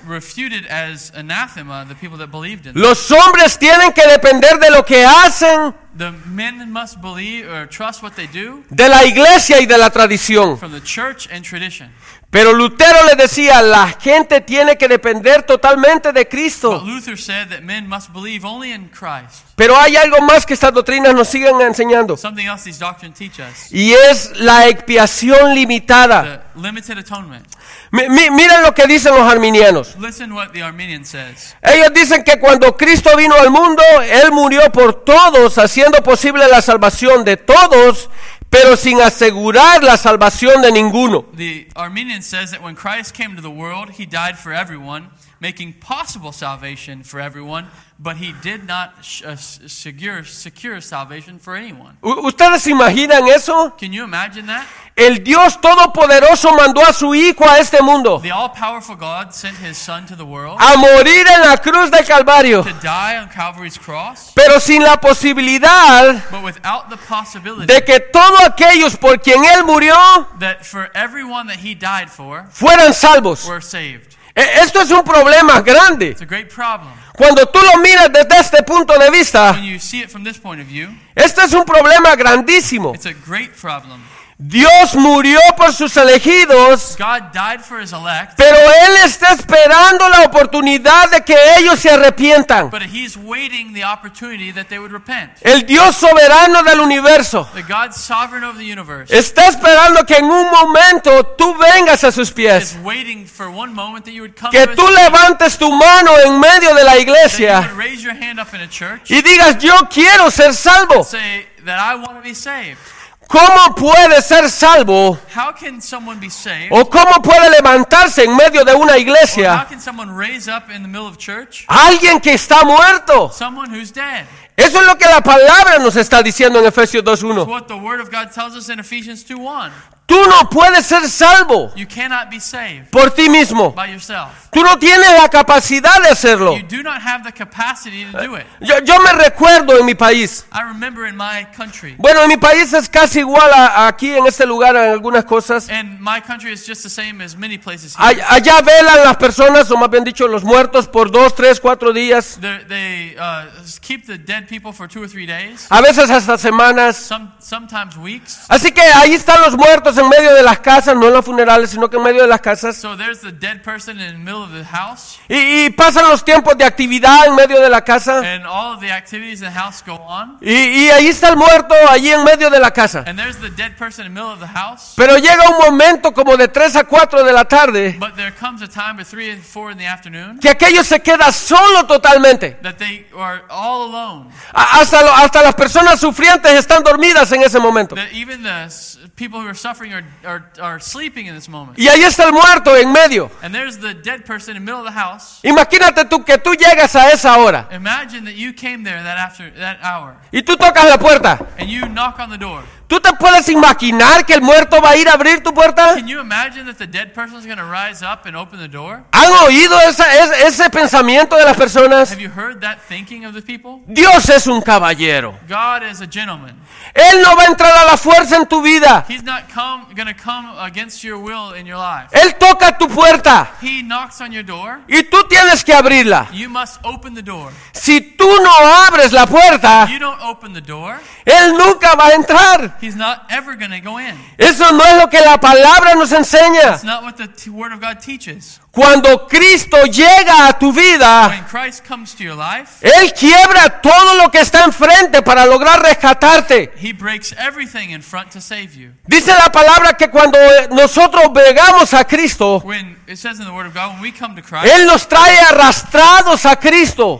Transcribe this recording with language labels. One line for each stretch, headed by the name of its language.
English: Refuted as anathema the people that believed in.
Spanish: Los hombres tienen que depender de lo que hacen.
English: The men must believe or trust what they do.
Spanish: De la iglesia y de la tradición.
English: From the church and tradition.
Spanish: Pero Lutero le decía, la gente tiene que depender totalmente de Cristo.
English: But Luther said that men must believe only in Christ.
Spanish: Pero hay algo más que estas doctrinas nos siguen enseñando.
English: Something else these doctrines teach us.
Spanish: Y es la expiación limitada.
English: The limited atonement.
Spanish: Miren lo que dicen los arminianos.
English: Listen what the Arminian says.
Spanish: Ellos dicen que cuando Cristo vino al mundo, Él murió por todos, haciendo posible la salvación de todos, pero sin asegurar la salvación de ninguno.
English: The Arminian says that when Christ came to the world, he died for everyone, making possible salvation for everyone, but he did not secure salvation for anyone.
Spanish: ¿Ustedes imaginan eso?
English: Can you imagine that?
Spanish: El Dios Todopoderoso mandó a su Hijo a este mundo.
English: The all-powerful God sent his Son to the world.
Spanish: A morir en la cruz del Calvario.
English: To die on Calvary's cross.
Spanish: Pero sin la posibilidad.
English: But without the possibility.
Spanish: De que todos aquellos por quien él murió.
English: That for everyone that he died for.
Spanish: Fueran salvos.
English: Were saved.
Spanish: Esto es un problema grande.
English: It's a great problem.
Spanish: Cuando tú lo miras desde este punto de vista.
English: When you see it from this point of view.
Spanish: Este es un problema grandísimo.
English: It's a great problem.
Spanish: Dios murió por sus elegidos,
English: God died for his elect,
Spanish: pero Él está esperando la oportunidad de que ellos se arrepientan.
English: But he's waiting the opportunity that they would repent.
Spanish: El Dios soberano del universo,
English: the God sovereign of the universe,
Spanish: está esperando que en un momento tú vengas a sus pies,
English: is waiting for one moment that you would come
Spanish: que tú levantes tu mano en medio de la iglesia,
English: that you would raise your hand up in a church,
Spanish: y digas, yo quiero ser salvo.
English: And say that I want to be saved.
Spanish: ¿Cómo puede ser salvo?
English: How can someone be saved?
Spanish: ¿O cómo puede levantarse en medio de una iglesia?
English: Or how can someone raise up in the middle of church?
Spanish: Alguien que está muerto.
English: Someone who's dead.
Spanish: Eso es lo que la palabra nos está diciendo en Efesios 2:1.
English: What the word of God tells us in Ephesians 2:1.
Spanish: Tú no puedes ser salvo
English: you cannot be saved
Spanish: por ti mismo.
English: By yourself.
Spanish: Tú no tienes la capacidad de hacerlo.
English: You do not have the capacity to do it.
Spanish: Yo me recuerdo en mi país.
English: I remember in my country.
Spanish: Bueno, en mi país es casi igual a aquí en este lugar en algunas cosas.
English: And my country is just the same as many places here.
Spanish: Allá velan las personas, o más bien dicho, los muertos por 2, 3, 4 días.
English: Keep the dead people for 2 or 3 days.
Spanish: A veces hasta semanas.
English: Sometimes weeks.
Spanish: Así que ahí están los muertos en medio de las casas, no en los funerales, sino que en medio de las casas.
English: So there's the dead person in the middle of the house.
Spanish: Y pasan los tiempos de actividad en medio de la casa.
English: And all of the activities in the house go on.
Spanish: Y ahí está el muerto allí en medio de la casa.
English: And there's the dead person in the middle of the house.
Spanish: Pero llega un momento como de 3 a 4 de la tarde.
English: But there comes a time of 3 and 4 in the afternoon.
Spanish: Que aquello se queda solo totalmente.
English: That they are all alone.
Spanish: Hasta las personas sufrientes están dormidas en ese momento.
English: That even the people who are suffering are sleeping in this moment.
Spanish: Y ahí está el muerto en medio.
English: And there's the dead person in the middle of the house.
Spanish: Imagínate tú que tú llegas a esa hora.
English: Imagine that you came there that hour.
Spanish: Y tú tocas la puerta.
English: And you knock on the door.
Spanish: ¿Tú te puedes imaginar que el muerto va a ir a abrir tu puerta?
English: Can you imagine that the dead person is going to rise up and open the door?
Spanish: ¿Han oído ese pensamiento de las personas?
English: Have you heard that thinking of the people?
Spanish: Dios es un caballero.
English: God is a gentleman.
Spanish: Él no va a entrar a la fuerza en tu vida.
English: He's not going to come against your will in your life.
Spanish: Él toca tu puerta.
English: He knocks on your door.
Spanish: Y tú tienes que abrirla.
English: You must open the door.
Spanish: Si tú no abres la puerta,
English: you don't open the door,
Spanish: él nunca va a entrar.
English: He's not ever going to go in.
Spanish: Eso no es lo que la palabra nos enseña.
English: That's not what the word of God teaches.
Spanish: Cuando Cristo llega a tu vida,
English: when Christ comes to your life,
Spanish: Él quiebra todo lo que está enfrente para lograr rescatarte.
English: He breaks everything in front to save you.
Spanish: Dice la palabra que cuando nosotros llegamos a Cristo,
English: when it says in the word of God, when we come to Christ,
Spanish: Él nos trae arrastrados a Cristo.